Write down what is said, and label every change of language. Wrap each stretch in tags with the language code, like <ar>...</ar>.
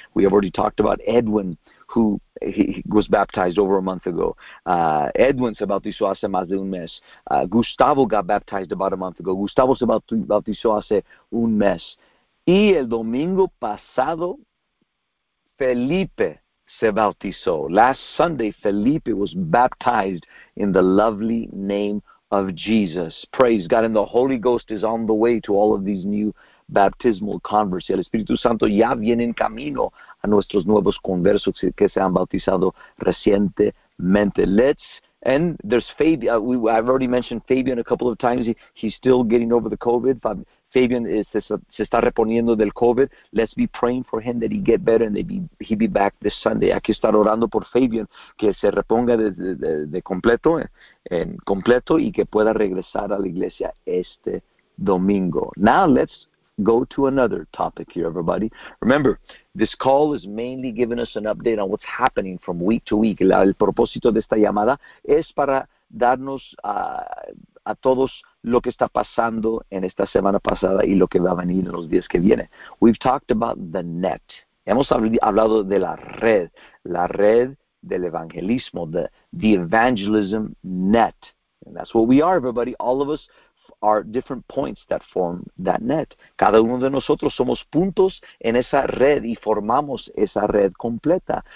<en>We have already talked about Edwin, who he was baptized over a month ago.</en> <es>Edwin se bautizó hace más de un mes.</es> <en>Gustavo got baptized about a month ago.</en> <es>Gustavo se bautizó hace un mes. Y el domingo pasado, Felipe se bautizó.</es> <en>Last Sunday, Felipe was baptized in the lovely name of Jesus. Praise God. And the Holy Ghost is on the way to all of these new baptismal converts.</en> <es>El Espíritu Santo ya viene en camino a nuestros nuevos conversos que se han bautizado recientemente.</es> <en>And there's Fabian. I've already mentioned Fabian a couple of times. He's still getting over the COVID.</en> <es>Fabian se está reponiendo del COVID.</es> <en>Let's be praying for him that he get better and he be back this Sunday.</en> <es>Hay que estar orando por Fabian que se reponga de completo y que pueda regresar a la iglesia este domingo.</es> <en>Now let's go to another topic here, everybody. Remember, this call is mainly giving us an update on what's happening from week to week.</en> <es>El propósito de esta llamada es para darnos a todos lo que está pasando en esta semana pasada y lo que va a venir en los días que vienen.</es> <en>We've talked about the net.</en> <es>Hemos hablado de la red del evangelismo,</es> <en>the evangelism net. And that's what we are, everybody. All of us are different points that form that net.</en> <es>Cada uno de nosotros somos puntos en esa red y formamos esa red completa.</es>